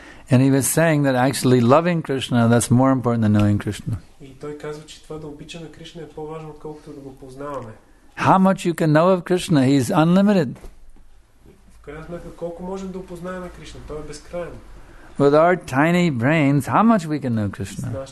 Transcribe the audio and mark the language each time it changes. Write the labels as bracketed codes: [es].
[en] And he was saying that actually loving Krishna, that's more important than knowing Krishna. [bg] И той казва, че това да обичаме Кришна е по-важно, отколкото да го познаваме. [en] How much you can know of Krishna? He's unlimited. [bg] В крайна сметка, колко можем да опознаваме Кришна? Той е безкраен. [en] With our tiny brains, how much we can know Krishna?